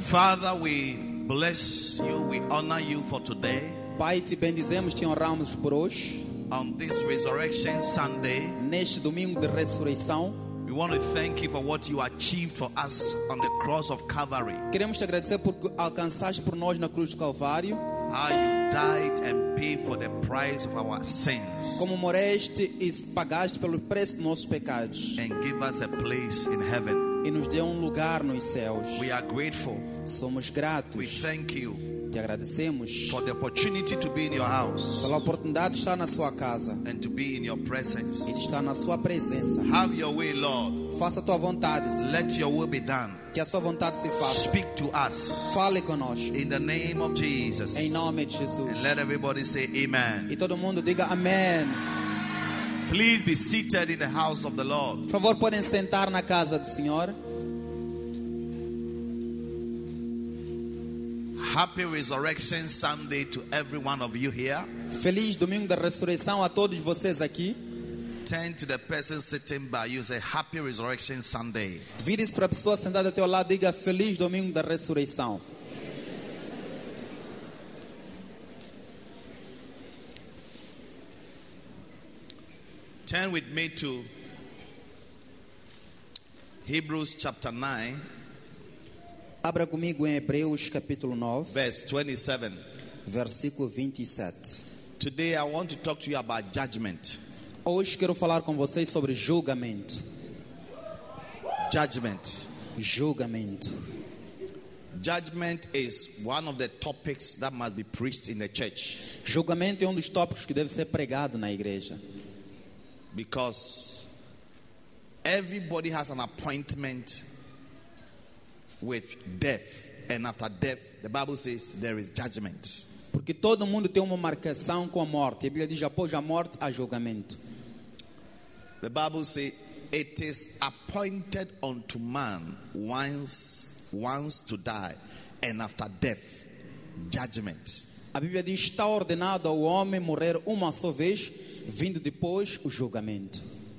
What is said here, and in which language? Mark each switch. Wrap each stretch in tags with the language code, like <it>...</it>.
<en>Father, we bless you, we honor you for today.</en> <pt>Pai, te bendizemos, te honramos por hoje.</pt> <en>On this Resurrection Sunday,</en> <pt>neste domingo de ressurreição,</pt> <en>we want to thank you for what you achieved for us on the cross of Calvary.</en> <pt>Queremos te agradecer por alcançaste por nós na cruz do Calvário.</pt> <en>How you died and paid for the price of our sins.</en> <pt>Como moreste e pagaste pelo preço dos nossos pecados.</pt> <en>And give us a place in heaven.</en> <pt>E nos dê lugar nos céus.</pt> <en>We are grateful.</en> <pt>Somos gratos.</pt> <en>We thank you.</en> <pt>Te agradecemos</pt> <en>for the opportunity to be in your house,</en> <pt>pela oportunidade de estar na sua casa,</pt> <en>and to be in your presence,</en> <pt>e de estar na sua presença.</pt> <en>Have your way, Lord.</en> <pt>Faça a tua vontade.</pt> <en>Let your will be done.</en> <pt>Que a sua vontade se faça.</pt> <en>Speak to us.</en> <pt>Fale conosco.</pt> <en>In the name of Jesus.</en> <pt>Em nome de Jesus.</pt> <en>And let everybody say amen.</en> <pt>E todo mundo diga amém.</pt> <en>Please be seated in the house of the Lord.</en> <pt>Por favor, podem sentar na casa do Senhor.</pt> <en>Happy Resurrection Sunday to every one of you here.</en> <pt>Feliz Domingo da Ressurreição a todos vocês aqui.</pt> <en>Turn to the person sitting by you, say Happy Resurrection Sunday.</en> <pt>Vire-se para a pessoa sentada ao teu lado, diga Feliz Domingo da Ressurreição.</pt> <en>Turn with me to Hebrews chapter 9.</en> <pt>Abra comigo em Hebreus capítulo 9,</pt> <en>verse 27.</en> <pt>Versículo 27.</pt> <en>Today I want to talk to you about judgment.</en> <pt>Hoje quero falar com vocês sobre julgamento.</pt> <en>Judgment.</en> <pt>Julgamento.</pt> <en>Judgment is one of the topics that must be preached in the church.</en> <pt>Julgamento é dos tópicos que deve ser pregado na igreja.</pt> <en>Because everybody has an appointment with death, and after death the Bible says there is judgment.</en> <pt>Porque todo mundo tem uma marcação com a morte. A Bíblia diz após a morte há julgamento.</pt> <en>The Bible says it is appointed unto man once to die, and after death judgment.</en> <pt>A Bíblia diz está ordenado ao homem morrer uma só vez, vindo depois o julgamento.</pt>